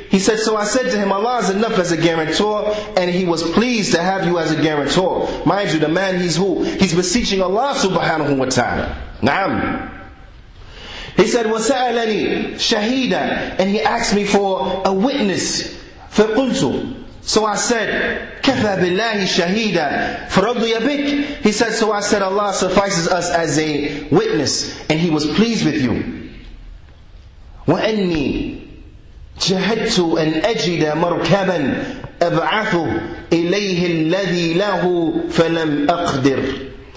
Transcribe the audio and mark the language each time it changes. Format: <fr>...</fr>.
<en>He said, so I said to him, Allah is enough as a guarantor, and he was pleased to have you as a guarantor. Mind you, the man, he's who? He's beseeching Allah subhanahu wa ta'ala. Naam. He said,</en> <ar>وَسَأَلَنِي شَهِيدًا.</ar> <en>And he asked me for a witness.</en> <ar>فَقُلْتُ.</ar> <en>So I said,</en> <ar>كَفَى بِاللَّهِ شَهِيدًا فَرَضُيَ بِكْ.</ar> <en>He said, so I said, Allah suffices us as a witness, and he was pleased with you.</en> <ar>وَأَنِّي جَهَدْتُ أَنْ أَجِدَ مَرْكَبًا أَبْعَثُ إِلَيْهِ الَّذِي لَهُ فَلَمْ أَقْدِرْ.</ar>